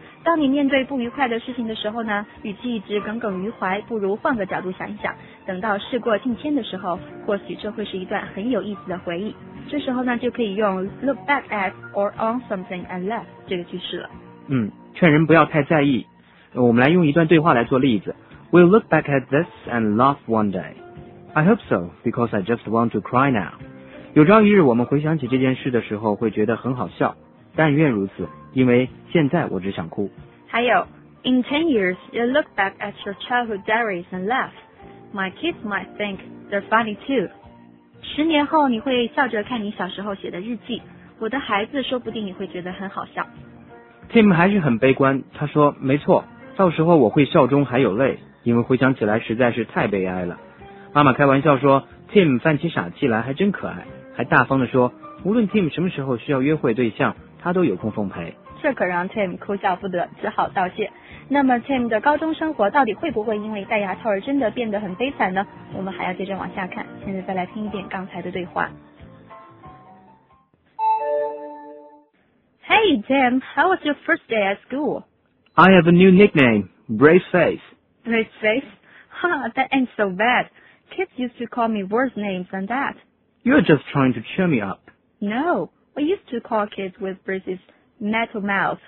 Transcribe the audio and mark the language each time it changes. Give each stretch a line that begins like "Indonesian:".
Chinese: 当你面对不愉快的事情的时候呢，与其一直耿耿于怀，不如换个角度想一想，等到事过境迁的时候，或许这会是一段很有意思的回忆。这时候呢，就可以用
English: look back at or on something and laugh
Chinese: 这个句式了。嗯，劝人不要太在意。我们来用一段对话来做例子。
English: We'll look back at this and laugh one day. I hope so, because I just want to cry now.
Chinese: 有朝一日我们回想起这件事的时候会觉得很好笑，但愿如此，因为现在我只想哭。还有
English: In 10 years you look back at your childhood diaries and laugh. My kids might think they're funny too.
Chinese: 十年后你会笑着看你小时候写的日记，我的孩子说不定也会觉得很好笑。 Tim 还是很悲观，他说没错，到时候我会笑中还有泪，因为回想起来实在是太悲哀了。妈妈开玩笑说 Tim 犯起傻气来还真可爱，还大方地说无论 Tim 什么时候需要约会对象，他都有空奉陪。这可让 Tim 哭笑不得，只好道谢。那么 Tim 的高中生活到底会不会因为戴牙套而真的变得很悲惨呢？我们还要接着往下看，现在再来听一遍刚才的对话。
English: Hey Tim, how was your first day at school? I have a new nickname, Brace Face. Brace Face? Ha, that ain't so bad. Kids used to call me worse names than that. You're just trying to cheer me up. No, we used to call kids with braces metal mouth.